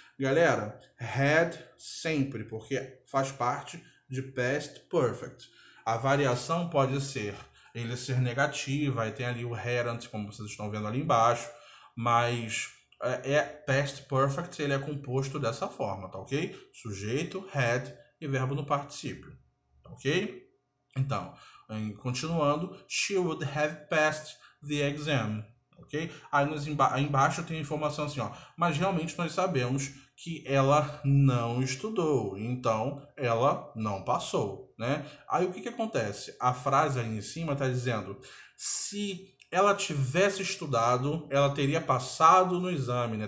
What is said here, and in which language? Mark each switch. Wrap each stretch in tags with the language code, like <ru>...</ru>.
<pt>Galera, had sempre, porque faz parte de past perfect. A variação pode ser ele ser negativa, e tem ali o had antes, como vocês estão vendo ali embaixo, mas é past perfect, ele é composto dessa forma, tá ok? Sujeito, had e verbo no particípio, ok? Então, continuando,</pt> <en>she would have passed the exam. Okay?</en> <pt>Aí embaixo tem a informação assim, ó, mas realmente nós sabemos que ela não estudou, então ela não passou, né? Aí o que que acontece? A frase aí em cima está dizendo: se ela tivesse estudado, ela teria passado no exame, né?</pt>